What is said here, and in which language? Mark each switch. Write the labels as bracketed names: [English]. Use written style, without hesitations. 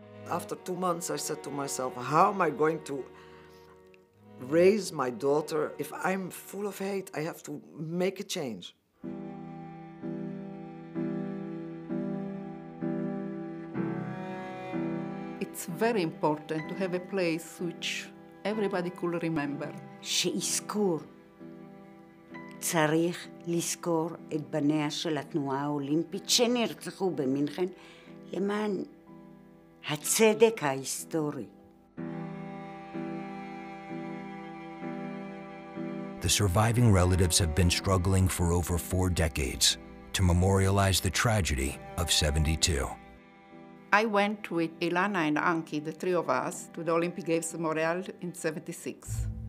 [English] After 2 months, I said to myself, how am I going to raise my daughter if I'm full of hate? I have to make a change. It's very important to have a place which everybody could remember. [Hebrew] שיזכור. צריך לזכור את בניה של התנועה האולימפית שנרצחו במינכן למען הצדק ההיסטורי. [English] The surviving relatives have been struggling for over 4 decades to memorialize the tragedy of 72. I went with Ilana and Anki, the three of us, to the Olympic Games of Montreal in 76.